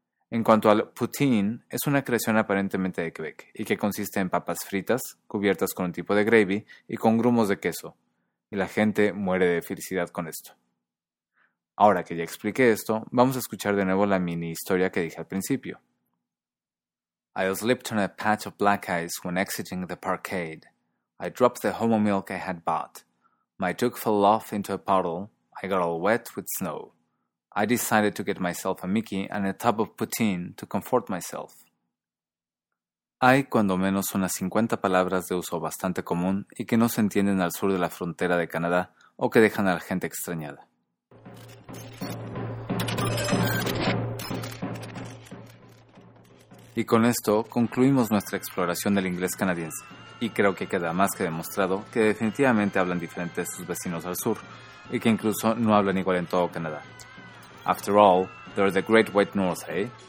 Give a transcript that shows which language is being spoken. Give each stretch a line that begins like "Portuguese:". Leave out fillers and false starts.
Spanish: En cuanto al poutine, es una creación aparentemente de Quebec y que consiste en papas fritas, cubiertas con un tipo de gravy y con grumos de queso. Y la gente muere de felicidad con esto. Ahora que ya expliqué esto, vamos a escuchar de nuevo la mini historia que dije al principio.
English: I slipped on a patch of black ice when exiting the parkade. I dropped the homo milk I had bought. My toque fell off into a puddle. I got all wet with snow. I decided to get myself a Mickey and a tub of poutine to comfort myself.
Spanish: Hay cuando menos unas 50 palabras de uso bastante común y que no se entienden al sur de la frontera de Canadá o que dejan a la gente extrañada. Y con esto concluimos nuestra exploración del inglés canadiense, y creo que queda más que demostrado que definitivamente hablan diferente sus vecinos al sur, y que incluso no hablan igual en todo Canadá.
English: After all, they're the Great White North, eh?